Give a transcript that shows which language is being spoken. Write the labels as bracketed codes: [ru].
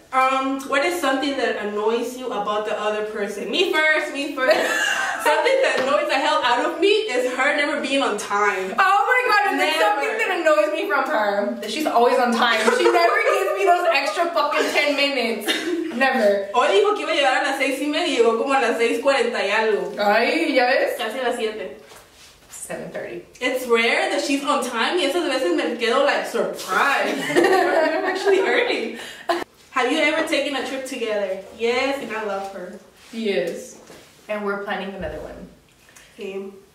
[en] What is something that annoys you about the other person? Me first. Something that annoys the hell out of me is her never being on time. Oh my god, is there something that annoys me from her? That she's always on time. She never gives me those extra fucking 10 minutes. Never. [es] Hoy dijo que iba a llegar a las 6:30 y llegó como a las 6:40 y algo. Ay, ¿ya ves? Casi a las 7. 7:30. [en] It's rare that she's on time [es] y esas veces me quedo [en] like surprised. I'm actually early. Have you ever taken a trip together? Yes, and I love her. Yes. And we're planning another one. Same.